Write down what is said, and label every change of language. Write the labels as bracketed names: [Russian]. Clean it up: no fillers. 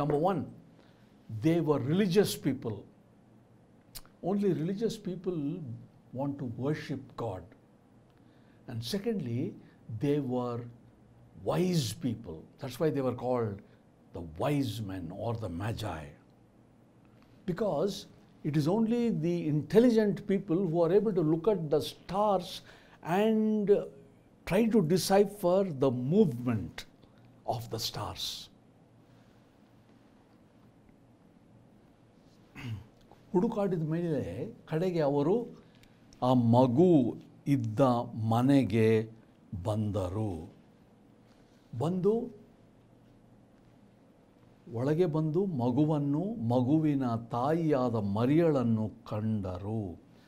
[English] Number one, they were religious people. Only religious people want to worship God. And secondly, they were wise people. That's why they were called the wise men are the magi. Because it is only the intelligent people who are able to look at the stars and try to decipher the movement of the stars. [Kannada] ಹುಡುಕಾಡಿದ ಮೇಲೆ ಕಡೆಗೆ ಅವರು ಆ ಮಗು ಇದ್ದ ಮನೆಗೆ ಬಂದರು. ಬಂದು ಒಳಗೆ ಬಂದು ಮಗುವನ್ನು, ಮಗುವಿನ ತಾಯಿಯಾದ ಮರಿಯಳನ್ನು ಕಂಡರು.